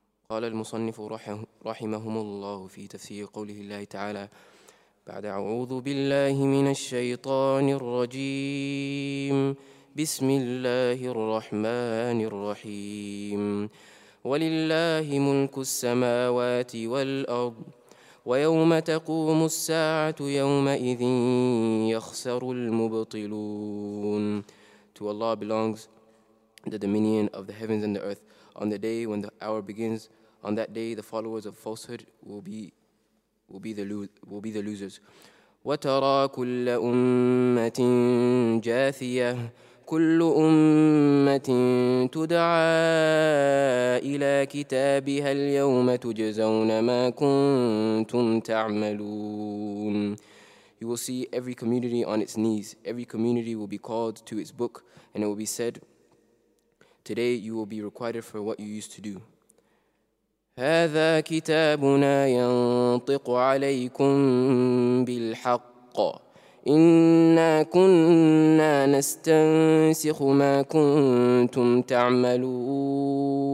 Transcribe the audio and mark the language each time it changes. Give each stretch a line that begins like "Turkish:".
Arabic: قال المصنف رحمهم الله في تفسير قوله الله تعالى بعد أعوذ بالله من الشيطان الرجيم بسم الله الرحمن الرحيم ولله ملك السماوات والأرض ويوم تقوم الساعة يومئذ يخسر المبطلون.
English: To Allah belongs the dominion of the heavens and the earth. On the day when the hour begins, on that day the followers of falsehood will be the losers.
Arabic: وَتَرَى كُلَّ أُمَّةٍ جَاثِيَةٍ كُلُّ أُمَّةٍ تُدْعَى إِلَى كِتَابِهَا الْيَوْمَ تُجْزَوْنَ مَا كُنْتُمْ تَعْمَلُونَ.
English: You will see every community on its knees. Every community will be called to its book, and it will be said, today you will be requited for what you used to do.
Arabic: هذا كتابنا ينطق عليكم بالحق إنا كنا نستنسخ ما كنتم تعملون.